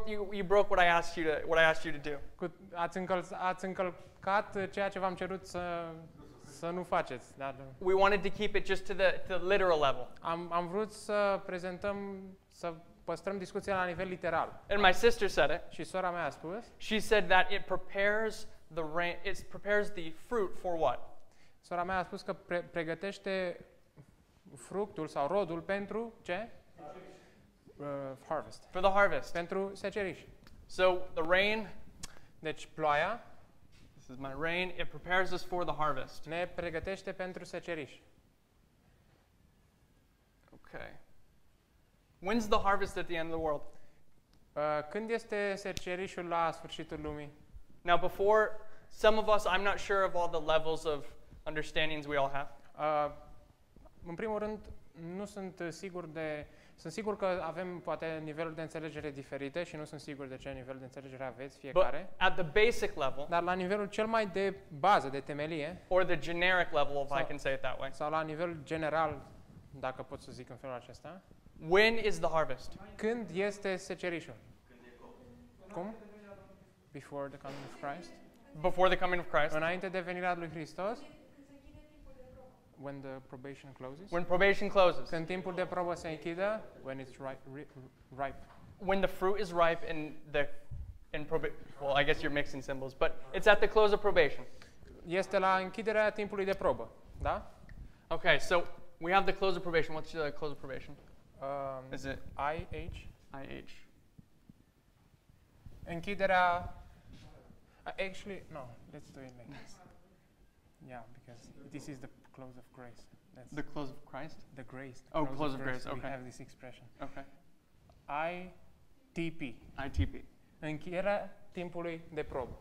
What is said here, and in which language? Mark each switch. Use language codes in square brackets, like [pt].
[en] you broke what I asked you to do. [ro] Ați încălcat ceea ce v-am cerut să nu faceți. [en] We wanted to keep it just to the literal level. [ro] Am vrut să prezentăm, să păstrăm discuția la nivel literal. [en] And my sister said it. [ro] Și sora mea a spus. [en] She said that it prepares the rain, it prepares the fruit for what? [ro] Sora mea a spus că pregătește fructul sau rodul pentru ce? [en] Harvest. For the harvest. [ro] Pentru seceriș. [en] So the rain, [ro] deci ploaia, [en] this is my rain, it prepares us for the harvest. [ro] Ne pregătește pentru seceriș. [en] Okay. When's the harvest at the end of the world? [ro] Când este secerișul la sfârșitul lumii? [en] Now before some of us, I'm not sure of all the levels of understandings we all have. [ro] În primul rând, nu sunt sigur de... Sunt sigur că avem, poate, niveluri de înțelegere diferite și nu sunt sigur de ce nivel de înțelegere aveți fiecare. [en] But at the basic level, [ro] dar la nivelul cel mai de bază, de temelie, [en] or the generic level, if I can say it that way, [ro] sau la nivelul general, dacă pot să zic în felul acesta, [en] when is the harvest? [ro] Când este secerișul? Cum? [en] Before the coming of Christ? Before the coming of Christ? [ro] Înainte de venirea lui Hristos? [en] When the probation closes. When probation closes. [ro] Când timpul de probă se închide. [en] When it's ripe. When the fruit is ripe and the well, I guess you're mixing symbols, but it's at the close of probation. [ro] Este la închiderea timpului de probă, da? [en] Okay, so we have the close of probation. What's the close of probation? Is it IH? IH. [ro] Închiderea. [en] Actually, no. Let's do it like this. Yeah, because this is the close of grace. That's the close of Christ? The grace. Oh, close of grace. Okay. We have this expression. Okay. ITP. ITP. [ro] Închiderea timpului de probă.